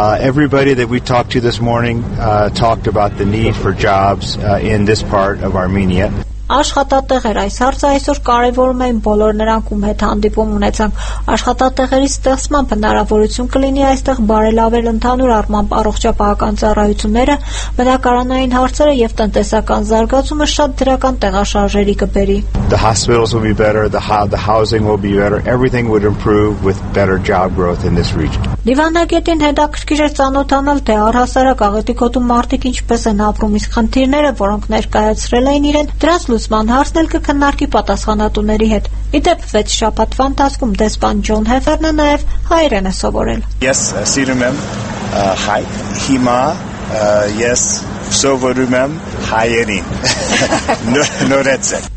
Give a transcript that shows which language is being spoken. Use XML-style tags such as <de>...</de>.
<en>Everybody that we talked to this morning talked about the need for jobs in this part of Armenia.</en> <hy>Աշխատատեղեր, այս հարցը այսօր կարևորում են բոլոր նրանք, ում հետ հանդիպում ունեցանք։ Աշխատատեղերի ստեղծման հնարավորություն կլինի այստեղ բարելավել ընդհանուր առմամբ առողջապահական ծառայությունները, բնակարանային հարցերը և տնտեսական զարգացումը շատ դրական տեղաշարժերի կբերի։</hy> <en>The hospitals will be better, the housing will be better, everything would improve with better job growth in this region.</en> <hy>Դիվանագետին հետաքրքիր էր ծանոթանալ, թե առհասարակ աղետիկոտում մարդիկ ինչպես են ապրում, իսկ խնդիրները, որոնք ներկայացրել էին իրեն, դրանց լուսման հարցն էլ կքննարկի պատասխանատուների հետ։ Ի դեպ, վեց շաբաթվա ընթացքում դեսպան Ջոն Հեֆերնը նաև հայերեն է սովորել։ Ես սիրում եմ հայ, հիմա ես սովորում եմ հայերին, նորեցեն։</hy>